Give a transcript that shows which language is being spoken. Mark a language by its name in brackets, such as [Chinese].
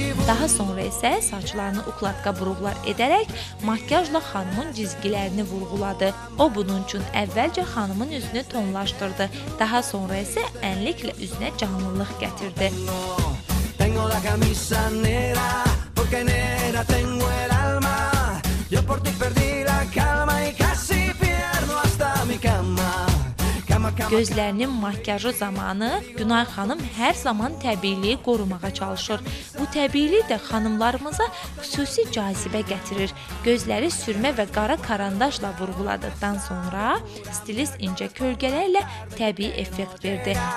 [Azerbaijani] Daha Daha sonra isə saçlarını uklatka buruqlar edərək makyajla xanımın cizgilərini vurğuladı. O bunun üçün əvvəlcə xanımın üzünü tonlaşdırdı. Daha sonra isə ənliklə üzünə canlılıq gətirdi. [Spanish] Tengo la camisa negra, porque negra tengo el alma. Yo por ti perdí la calma y casi pierdo hasta mi cama. [Azerbaijani] Gözlərinin makyajı zamanı Günay xanım hər zaman təbiiliyi qorumağa çalışır. Bu təbiilik də xanımlarımıza xüsusi cazibə gətirir. Gözləri sürmə və qara karandaşla vurğuladıqdan sonra stilist incə kölgələrlə təbii effekt verdi.